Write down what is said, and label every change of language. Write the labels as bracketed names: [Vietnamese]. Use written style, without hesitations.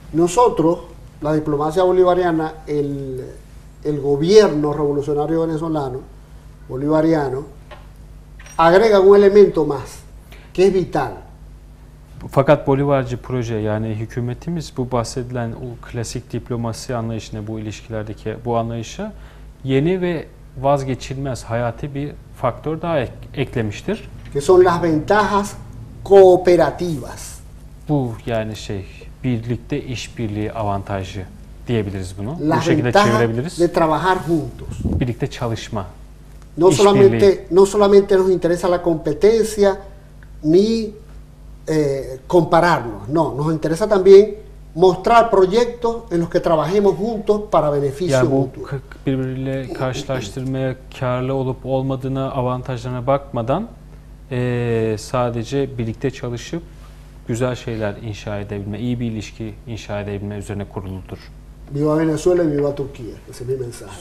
[Spanish] Nosotros, la diplomacia bolivariana, el gobierno revolucionario venezolano, bolivariano, agrega un elemento más, que es vital. [Turkish] Fakat Bolivarcı proje, yani hükümetimiz bu bahsedilen o klasik diplomasi anlayışına, bu ilişkilerdeki bu anlayışa yeni ve vazgeçilmez hayati bir faktör daha eklemiştir. [Spanish] Que son las ventajas cooperativas. [Turkish] Bu yani şey, birlikte işbirliği avantajı diyebiliriz bunu. [Spanish] Las [Turkish] bu şekilde çevirebiliriz. [Spanish] De trabajar juntos. [Turkish] Birlikte çalışma. [Spanish] No solamente nos interesa la competencia ni compararnos, no, nos interesa también mostrar proyectos en los que trabajemos juntos para beneficio [Turkish] yani bu mutu. Birbiriyle karşılaştırmaya karlı olup olmadığına, avantajlarına bakmadan sadece birlikte çalışıp güzel şeyler inşa edebilme, iyi bir ilişki inşa edebilme üzerine kuruludur. [Spanish] Viva Venezuela, viva Türkiye. Ese es mi mensaje.